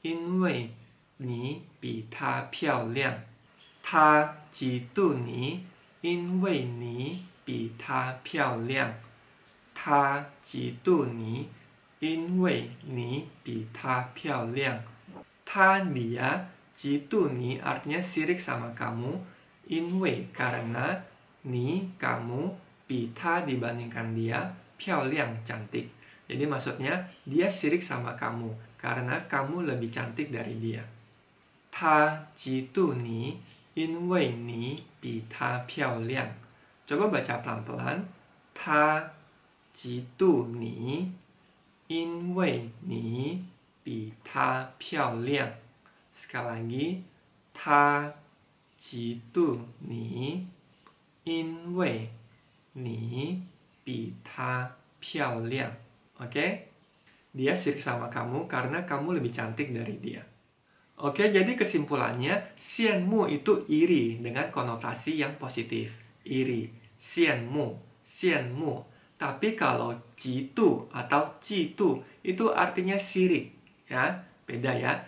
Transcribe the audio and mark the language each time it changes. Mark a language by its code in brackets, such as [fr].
[zh] 他嫉妒你因为你比他漂亮.他嫉妒你因为你比他漂亮. 他嫉妒你 因为你比她漂亮，她你呀嫉妒你 [id] ，artinya sirik sama kamu， 因为 karena 你 kamu 比她 dibandingkan dia 漂亮 cantik， jadi maksudnya dia sirik sama kamu karena kamu lebih cantik dari dia。 [zh] 她嫉妒你，因为你比她漂亮。 [id] coba baca pelan pelan， [zh] 她嫉妒你。因为你比她漂亮。 [id] Sekali lagi， [zh] 她嫉妒你，因为你比她漂亮。 [id] OK， dia sirik sama kamu karena kamu lebih cantik dari dia。 OK， jadi kesimpulannya， xianmu itu iri dengan konotasi yang positif， iri， xianmu， xianmu。 Tapi kalau jitu atau jitu itu artinya sirik, ya beda ya.